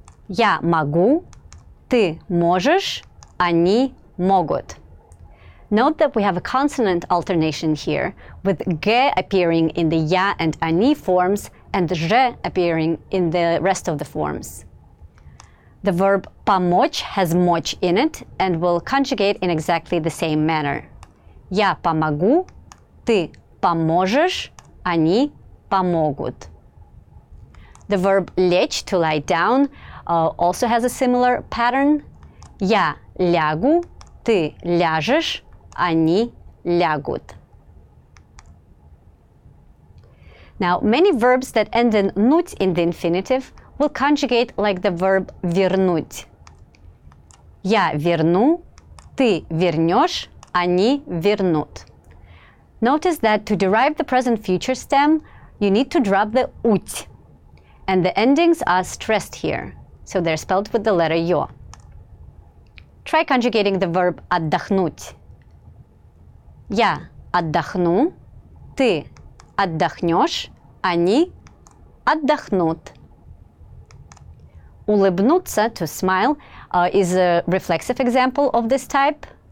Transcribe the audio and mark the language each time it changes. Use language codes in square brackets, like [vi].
[ru] Я могу, ты можешь, они могут. [en] Note that we have a consonant alternation here, with г appearing in the я and они forms, and ж appearing in the rest of the forms. The verb помочь has мочь in it and will conjugate in exactly the same manner. [ru] Я помогу, ты поможешь, они помогут. [en] The verb лечь, to lie down, also has a similar pattern. [ru] Я лягу, ты ляжешь, они лягут. [en] Now, many verbs that end in нуть in the infinitive will conjugate like the verb вернуть. [ru] Я верну, ты вернешь, они вернут. [en] Notice that to derive the present future stem, you need to drop the уть. And the endings are stressed here, so they're spelled with the letter ё. Try conjugating the verb отдохнуть. [ru] Я отдохну, ты отдохнешь, они отдохнут. [en] Улыбнуться, to smile, is a reflexive example of this type.